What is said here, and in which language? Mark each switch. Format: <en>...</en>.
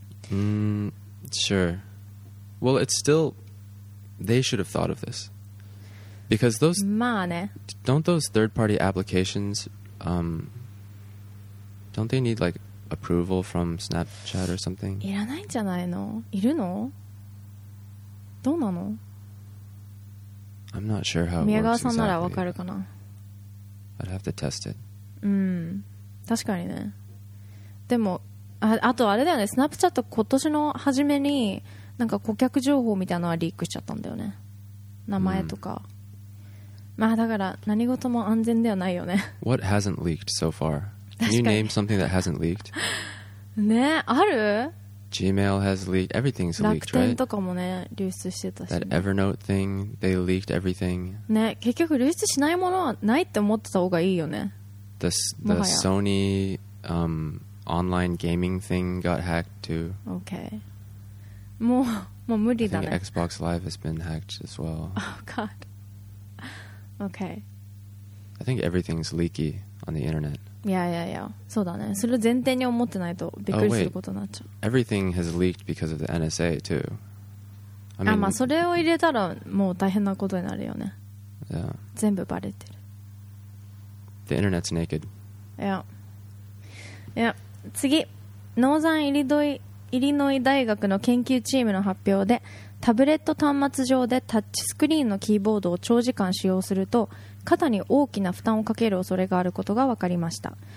<en>Sure. Well, it's still... They should have thought of this. Because those...</en> <ja>まあね。</ja> <en>Don't those third-party applications... don't they need, like, approval from Snapchat or something?</en> <ja>いらないんじゃないの？いるの？どうなの？</ja> <en>I'm not sure how it works exactly. 宮川さん</en> <ja>ならわかるかな？</ja> <en>I'd have to test it.</en> <ja>うん。確かにね。でも、あとあれだよね。 Snapchat 今年の初めに、なんか顧客情報みたいなのはリークしちゃったんだよね。名前とか。まあだから何事も安全ではないよね。</ja> <en>What hasn't leaked so far? Can you name something that hasn't leaked?</en> <ja>ね、ある</ja> <en>?Gmail has leaked. Everything's leaked, right?</en> <ja>楽天とかもね、流出してたし、ね。</ja> <en>That Evernote thing, they leaked everything.</en> <ja>ね、結局流出しないものはないって思ってた方がいいよね。</ja> <en>The Sony, online gaming thing got hacked too.</en> <ja>Okay. もう無理だね。</ja> <en>Xbox Live has been hacked as well. Oh god. Okay. I think everything's leaky on the internet. Yeah, yeah, yeah.</en> <ja>そうだね。それ前提に思ってないとびっくりすることになっちゃう。</ja> <en>Everything has leaked because of the NSA too. I mean,</en> <ja>まあそれを入れたらもう大変なことになるよね。</ja> <en>Yeah.</en> <ja>全部バレてる。</ja> <en>The internet's naked. Yeah. Yeah. 次。</en> <ja>ノーザンイリノイ大学の研究チームの発表で、タブレット端末上でタッチスクリーンのキーボードを長時間使用すると肩に大きな負担をかける恐れがあることが分かりました。</ja>